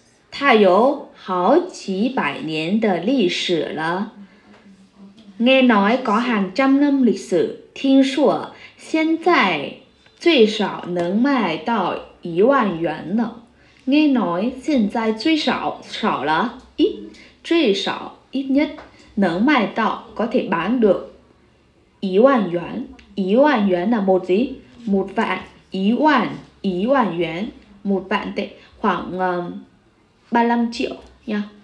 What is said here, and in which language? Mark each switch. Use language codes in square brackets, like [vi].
[zh] 它有好几百年的历史了。 [vi] Nghe nói có hàng trăm năm lịch sử, [zh] 听说现在最少能卖到10000元了。 [vi] Nghe nói hiện tại [zh] 最少少了一最少 [vi] ít nhất [zh] 能卖到 [vi] có thể bán được [zh] 10000元 10000元 [vi] là một gì một vạn. [zh] 10000元 [vi] một vạn tệ khoảng 35 triệu nha.